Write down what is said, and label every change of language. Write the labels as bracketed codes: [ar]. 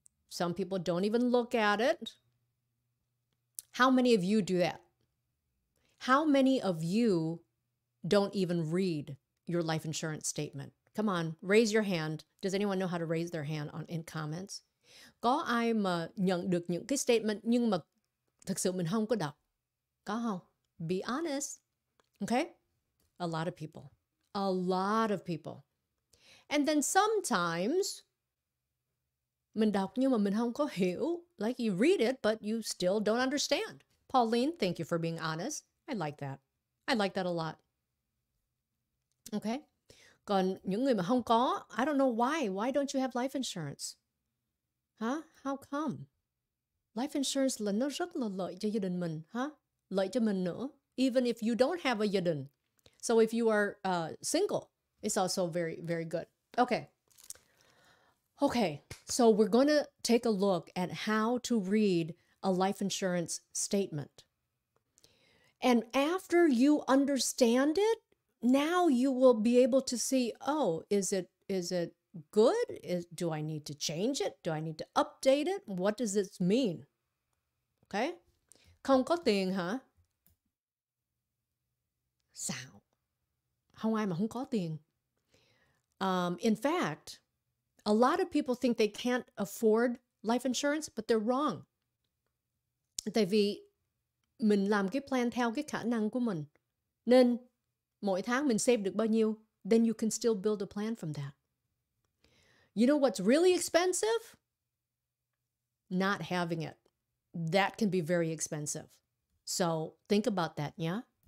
[en] Some people don't even look at it. How many of you do that? How many of you don't even read your life insurance statement? Come on, raise your hand. Does anyone know how to raise their hand in comments? [vi] Có ai mà nhận được những cái statement nhưng mà thực sự mình không có đọc? Có không? [en] Be honest. Okay? A lot of people. A lot of people. And then sometimes, [vi] mình đọc nhưng mà mình không có hiểu. [en] Like you read it, but you still don't understand. Pauline, thank you for being honest. I like that. I like that a lot. Okay? [vi] Còn những người mà không có, [en] I don't know why. Why don't you have life insurance? Huh? How come? [vi] Life insurance là nó rất là lợi cho gia đình mình, huh? Lợi cho mình nữa. [en] Even if you don't have a yidin. So if you are single, it's also very, very good. Okay. Okay. So we're going to take a look at how to read a life insurance statement. And after you understand it, now you will be able to see, oh, is it good? Do I need to change it? Do I need to update it? What does this mean? Okay? [vi] Không có tiền hả? Sao? Không ai mà không có tiền. [en] In fact, a lot of people think they can't afford life insurance, but they're wrong. [vi] Tại vì mình làm cái plan theo cái khả năng của mình. Nên mỗi tháng mình save được bao nhiêu, [en] then you can still build a plan from that. You know what's really expensive? Not having it. That can be very expensive. So think about that, yeah?